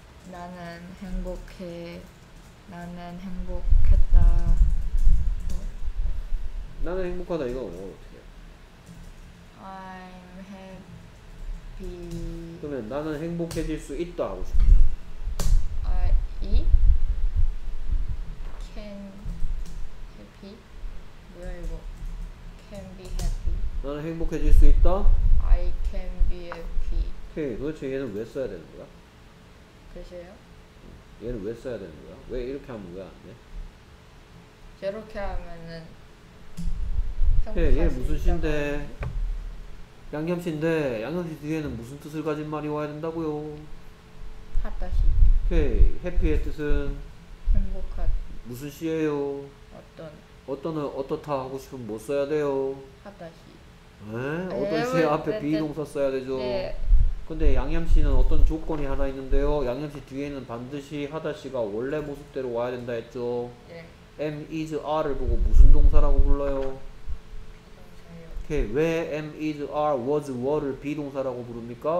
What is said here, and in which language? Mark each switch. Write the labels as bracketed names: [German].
[Korean] 나는 행복해 나는 행복했다 나는 행복하다 이거 어떻게 해? [English] I'm happy [Korean] 그러면 나는 행복해질 수 있다 하고 싶다 [English] I can happy [Korean] 뭐야 이거 [English] can be happy [Korean] 나는 행복해질 수 있다 [English] I can be happy. [Korean] 오케이. 도대체 얘는 왜 써야 되는 거야? 글쎄요? 얘는 왜 써야 되는 거야? 왜 이렇게 하면 왜 안 돼? 저렇게 하면은 오케이. 얘 무슨 씨인데? 양념 씨인데 양념 씨 뒤에는 무슨 뜻을 가진 말이 와야 된다고요? 하다 씨. 오케이. 해피의 뜻은? 행복한. 무슨 씨예요? 어떤. 어떤은 어떻다 하고 싶으면 뭐 써야 돼요? 하다 씨. 네? 어떤 씨 앞에 비동사 써야 되죠. 네. 근데 양념 씨는 어떤 조건이 하나 있는데요. 양념 씨 뒤에는 반드시 하다 씨가 원래 모습대로 와야 된다 했죠. 네. M is R를 보고 무슨 동사라고 불러요? 비동사예요. 왜 M is R was were를 비동사라고 부릅니까?